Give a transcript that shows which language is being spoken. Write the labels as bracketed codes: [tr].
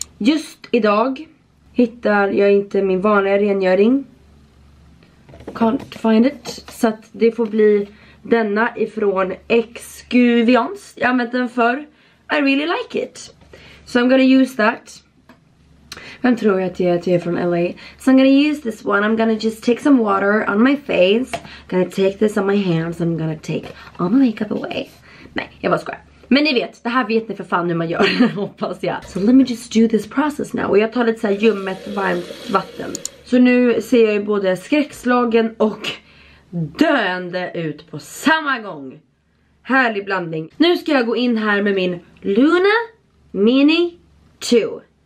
[sv] Just idag hittar jag inte min vanliga rengöring. [en] Can't find it. [sv] Så att det får bli denna ifrån Excuvians. Jag använde den för. [en] I really like it. So I'm gonna use that. [sv] Vem tror jag att jag är från LA? [en] So I'm gonna use this one. I'm gonna just take some water on my face. Gonna take this on my hands. I'm gonna take all my makeup away. [sv] Nej, jag bara skojar. Men ni vet, det här vet ni för fan hur man gör, hoppas jag. [en] So let me just do this process now. [sv] Och jag tar lite så här ljummet, varmt vatten. Så nu ser jag ju både skräckslagen och döende ut på samma gång. Härlig blandning. Nu ska jag gå in här med min Luna Mini 2.